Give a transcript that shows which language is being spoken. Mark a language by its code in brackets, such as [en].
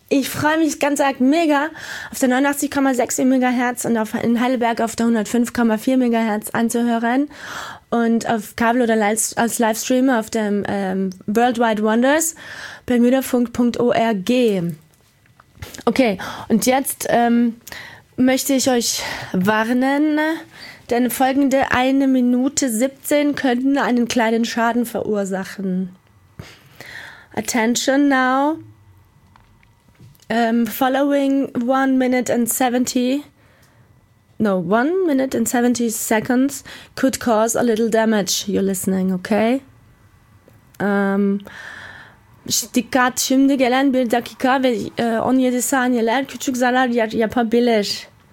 [de] Ich freue mich ganz arg mega auf der 89,6 MHz und in Heidelberg auf der 105,4 MHz anzuhören und auf Kabel oder als Livestream auf dem World Wide Wonders Berlinerfunk.org. Okay, und jetzt möchte ich euch warnen, denn folgende 1 Minute 17 könnten einen kleinen Schaden verursachen. [en] Attention now. Following 1 minute and 70 No, 1 minute and 70 seconds could cause a little damage. You're listening, okay? [tr] Dikkat, şimdi gelen 1 dakika ve 17 saniyeler küçük zarar yapabilir.